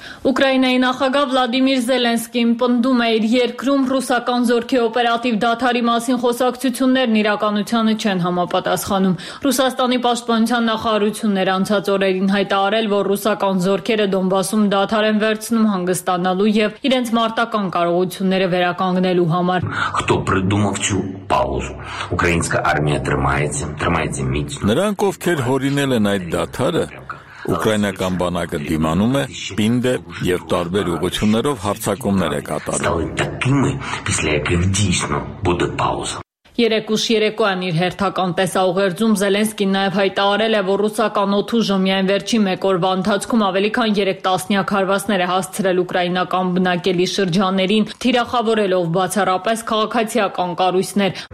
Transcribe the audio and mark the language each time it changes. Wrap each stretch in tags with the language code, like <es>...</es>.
<hy>Ուկրաինայի նախագահ Վլադիմիր Զելենսկին պնդում է իր երկրում ռուսական զորքի օպերատիվ դադարի մասին խոսակցություններն իրականությանը չեն համապատասխանում։ Ռուսաստանի պաշտպանության նախարարությունները անցած օրերին հայտարարել, որ ռուսական զորքերը Դոնբասում դադար են վերցնում հանգստանալու և իրենց մարտական կարողությունները վերականգնելու համար։</hy> <ru>Кто придумал эту паузу?</ru> <uk>Украинская армия тримається міць.</uk> <hy>Նրանք ովքեր հորինել են այդ դադարը, ուկրաինական բանակը դիմանում է, պինդ է և տարբեր ուղղություններով հարձակումներ է կատարում։ Երեկուշ երեկոյան իր հերթական տեսաուղերձում Զելենսկին նաև հայտարարել է, որ ռուսական օդուժը միայն վերջին մեկ օրվա ընթացքում ավելի քան 3 տասնյակ հարվածներ է հասցրել ուկրաինական բնակելի շրջաններին, թիրախավորելով բացառապես քաղաքացիական կառույցներ։</hy>